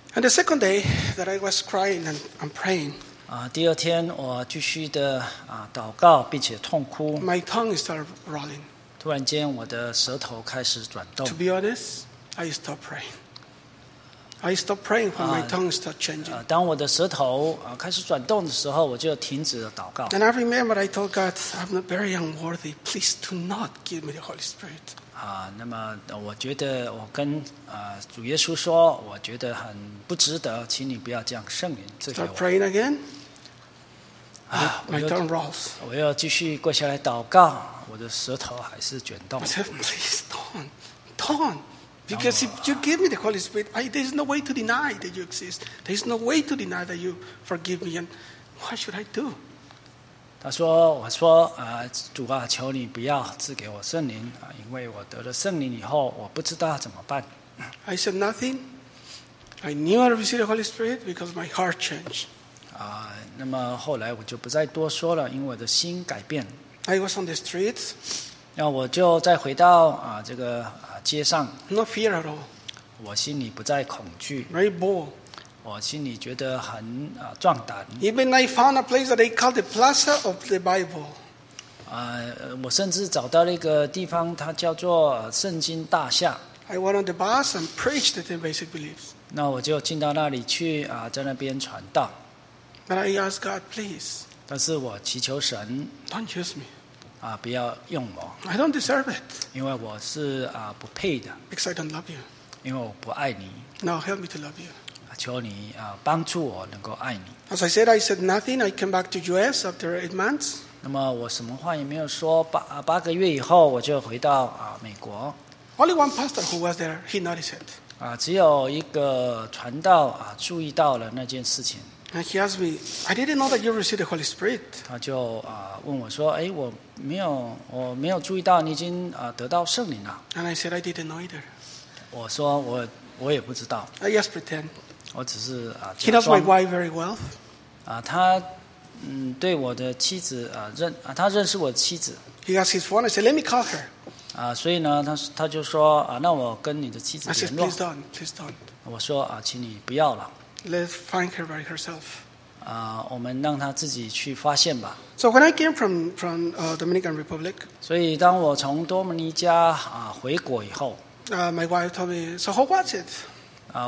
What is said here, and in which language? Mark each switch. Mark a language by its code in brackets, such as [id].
[en] And the second day that I was crying and praying. [zh] 第二天我继续的祷告并且痛哭。 [en] My tongue started rolling. [zh] 突然间我的舌头开始转动。 [en] To be honest. I stop praying. I stop praying when my tongue starts changing. [zh] 当我的舌头开始转动的时候，我就停止了祷告。 [en] And I remember I told God, I'm very unworthy. Please do not give me the Holy Spirit. [zh] 那么我觉得我跟主耶稣说，我觉得很不值得，请你不要将圣灵赐给我。 [en] Start praying again. My tongue rolls. [zh] 我要继续跪下来祷告，我的舌头还是卷动。 [en] I said, Please don't, don't. Because if you give me the Holy Spirit, there's no way to deny that you exist. There's no way to deny that you forgive me. And what should I do? [zh] 他说，我说，主啊，求你不要赐给我圣灵，因为我得了圣灵以后，我不知道怎么办。 [en] I said nothing. I knew I received the Holy Spirit because my heart changed. [zh] 那么后来我就不再多说了，因为我的心改变。 [en] I was on the streets. [zh] 那我就再回到这个。街上 [en] no fear at all. [zh] 我心里不再恐惧 [en] Very bold. [zh] 我心里觉得很壮胆 [en] Even I found a place that they call the Plaza of the Bible. [zh] 我甚至找到了一个地方，它叫做圣经大厦 [en] I went on the bus and preached the 10 basic beliefs. [zh] 那我就进到那里去在那边传道 [en] But I asked God, please. [zh] 但是我祈求神 [en] Don't use me. [zh] 不要用我 [en] I don't deserve it. [zh] 因为我是不配的 [en] Because I don't love you. [zh] 因为我不爱你 [en] Now help me to love you. [zh] 求你帮助我能够爱你 [en] As I said nothing. I came back to US after 8 months. [zh] 那么我什么话也没有说八个月以后我就回到美国 [en] Only one pastor who was there, he noticed it. [zh] 只有一个传道注意到了那件事情 [en] And he asked me, I didn't know that you received the Holy Spirit. [zh] 他就问我说，哎，我没有，我没有注意到你已经得到圣灵了。 [en] And I said I didn't know either. [zh] 我说我也不知道。 [en] I just pretend. [zh] 我只是 [en] He knows my wife very well. [zh] 他对我的妻子他认识我的妻子。 [en] He has his phone. I said, let me call her. [zh] 所以呢，他就说那我跟你的妻子联络。 [en] I said, please don't, please don't. [zh] 我说请你不要了。 [en] Let's find her by herself. [zh] 我们让他自己去发现吧。 [en] So when I came from Dominican Republic, [zh] 所以当我从多米尼加回国以后 [en] ，my wife told me, so how was it?